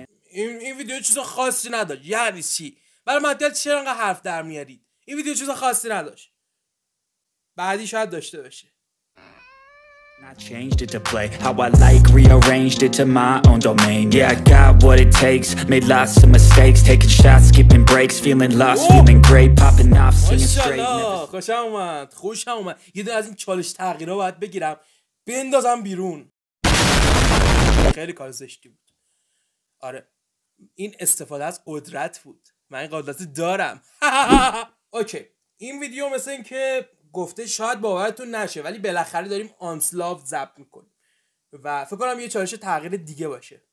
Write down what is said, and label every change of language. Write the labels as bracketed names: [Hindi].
[Persian] این ویدیو چیز خاصی نداشت. یعنی چی؟ برای مدگل چرا انقدر حرف در میارید؟ این ویدیو چیز خاصی نداشت، بعدی شاید داشته باشه. [English] I changed it to play how I like, rearranged it to my own domain. Yeah, I got what it takes, made lots of mistakes, taking shots, skipping breaks, feeling lost, feeling great, popping off, singing straight. [Persian] خوشم اومد، خوشم اومد. یه دونه از این چالش تغییرها باید بگیرم بندازم بیرون. خیلی کار زشتی بود. آره این استفاده از قدرت بود، من این قدرت دارم. اوکی این ویدیو مثل این که گفته شاید باورتون نشه، ولی بالاخره داریم آنسلاو زب میکنیم و فکر کنم یه چالش تغییر دیگه باشه.